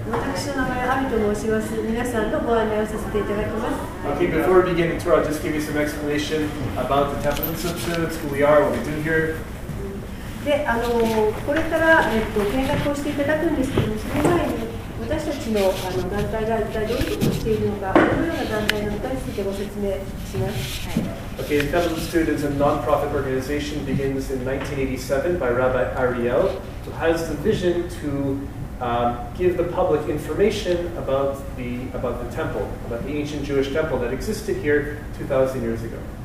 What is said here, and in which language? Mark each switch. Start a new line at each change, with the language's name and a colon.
Japanese: 私の名前はアビと申します。皆さんのご案内をさせていただきます。
English: Okay, before we begin the tour, I'll just give you some explanation about the Temple Institute, who we are, what we do here.
Japanese: で、これから、見学をしていただくんですけども、その前に私たちの団体が一体どういうことをしているのか、どのような団体なのかについてご説明します。はい。
English: Okay, the Temple Institute is a non-profit organization begins in 1987 by Rabbi Ariel, who has the vision to give the public information about the temple, about the ancient Jewish temple that existed here 2,000 years ago.